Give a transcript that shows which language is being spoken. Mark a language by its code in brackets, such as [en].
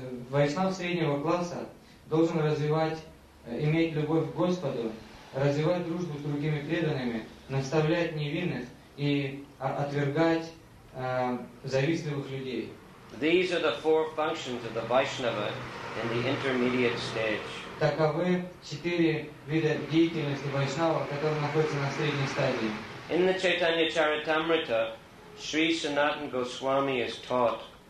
[ru] Вайшнав среднего класса должен развивать иметь любовь к Господу, развивать дружбу с другими преданными, наставлять невинных и отвергать завистливых людей. [en] These are the four functions of the Vaishnava in the intermediate stage. [ru] Таковы четыре вида деятельности Вайшнава, которые находятся на средней стадии. [en] In the Chaitanya Charitamrita, Sri Sanatan Goswami is taught.